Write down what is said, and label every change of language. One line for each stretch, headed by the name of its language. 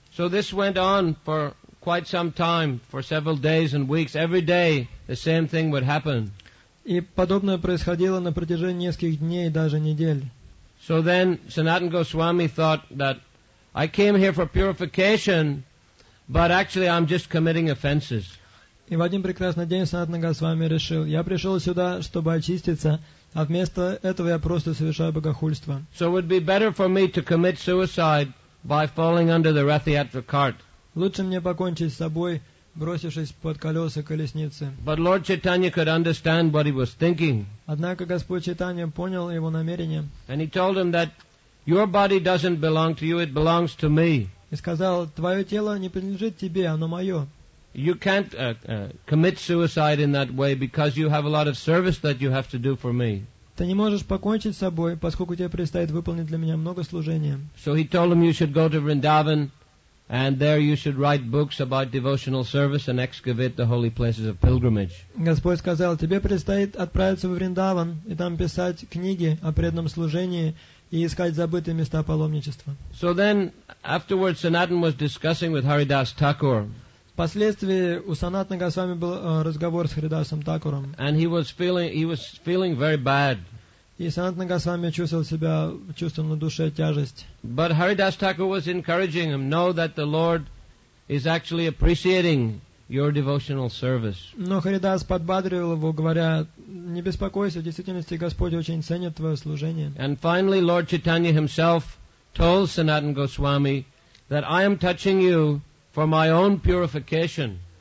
English: So this went on for quite some time, for several days and weeks. Every day the same thing would happen.
Russian: И подобное происходило на протяжении нескольких дней, даже недель.
English: So then Sanatana Goswami thought that I came here for purification, but actually I'm just committing offenses.
Russian: И в один прекрасный день Санатана Госвами решил, я пришел сюда, чтобы очиститься, а вместо этого я просто совершаю богохульство.
English: So it would be better for me to commit suicide by falling under the Rathyatra cart.
Russian: Лучше мне покончить с собой, бросившись под колеса колесницы.
English: But Lord Chaitanya could understand what he was thinking.
Russian: Однако Господь Чайтанья понял его намерение.
English: And he told him that your body doesn't belong to you, it belongs to me.
Russian: И сказал, твое тело не принадлежит тебе, оно мое.
English: You can't commit suicide in that way because you have a lot of service that you have to do for me.
Russian: Ты не можешь покончить с собой, поскольку тебе предстоит выполнить для меня много служения.
English: So he told him you should go to Vrindavan And there you should write books about devotional service and excavate the holy places of pilgrimage.
Russian: Господь сказал, тебе предстоит отправиться в Вриндаван и там писать книги о преданном служении и искать забытые места паломничества.
English: So then, afterwards, Sanatan was discussing with Haridas Thakur.
Russian: Впоследствии у Санатана Госвами был разговор с Харидасом Такуром.
English: And he was feeling very bad.
Russian: И Санатана Госвами чувствовал себя, чувствовал на душе тяжесть.
English: But Haridas Thakur was encouraging him, know that the Lord is actually appreciating your devotional service.
Russian: Но Харидас подбадривал его, говоря, не беспокойся, в действительности Господь очень ценит твое служение.
English: And finally, Lord Chaitanya himself told Sanatana Goswami that I am touching you for my own purification.